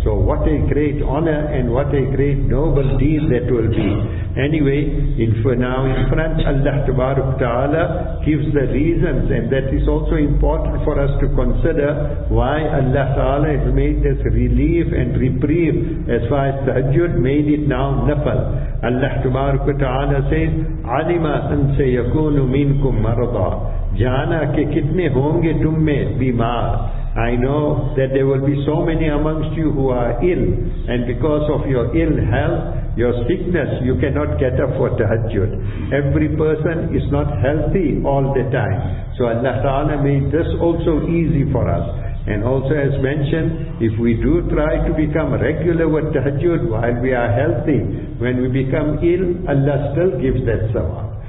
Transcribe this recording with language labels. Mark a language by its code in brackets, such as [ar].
[en] So what a great honor and what a great noble deed that will be. Anyway, now in front, Allah Tabaruk Ta'ala gives the reasons, and that is also important for us to consider why Allah Ta'ala has made this relief and reprieve as far as tahajjud, made it now nafal. [ar] Allah Tabaruk Ta'ala says, عَلِمَا أَن سَيَكُونُ مِنْكُمْ مَرْضَى. [ur] Jana ke kitne honge tumme bimar. [en] I know that there will be so many amongst you who are ill, and because of your ill health, your sickness, you cannot get up for tahajjud. Every person is not healthy all the time. So Allah Ta'ala made this also easy for us. And also as mentioned, if we do try to become regular with tahajjud while we are healthy, when we become ill, Allah still gives that sawab.